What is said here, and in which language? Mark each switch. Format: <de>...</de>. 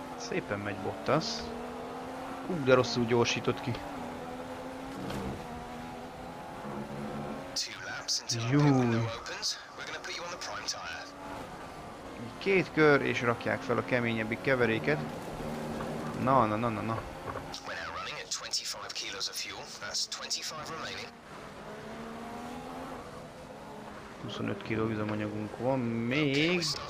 <hu>Éppen megy Bottas. Ú, de rosszul gyorsított ki.</hu> <en>us until the window opens. We're gonna put you on the prime tire.</en> <hu>Két kör és rakják fel a keményebbik keveréket. Na, na, na, na, na.</hu> <en>We're now running at 25 kilos of fuel. That's 25 remaining.</en> <hu>25 kiló üzemanyagunk van még.</hu>